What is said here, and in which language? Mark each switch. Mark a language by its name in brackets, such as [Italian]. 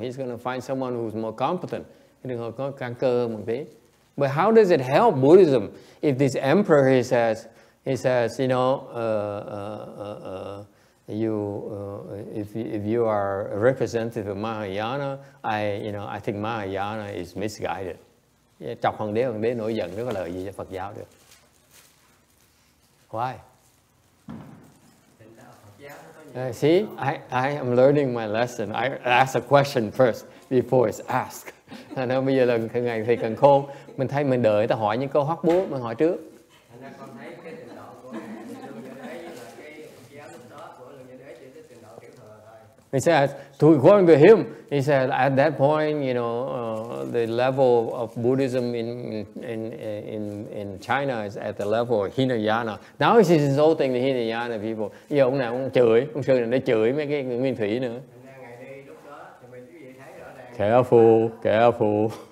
[English] He's gonna find someone who's more competent. But how does it help Buddhism if this emperor he says, you know, if you are a representative of Mahayana, I think Mahayana is misguided. [Vietnamese] Chọc hoàng đế nổi giận, nó có lợi gì cho Phật giáo được? [English] Why? See, I am learning my lesson. I ask a question first before it's asked. [Vietnamese] Thành ra bây giờ là cái ngày thầy cần khôn, mình thấy mình đợi ta hỏi những câu hóc búa, mình hỏi trước. [English] He says, according to him, he said, at that point, you know, the level of Buddhism in China is at the level of Hinayana. Now he's insulting the Hinayana people. [Vietnamese] Giờ ông này ông chửi, ông sư này nó chửi mấy cái nguyên thủy nữa. [English] Careful.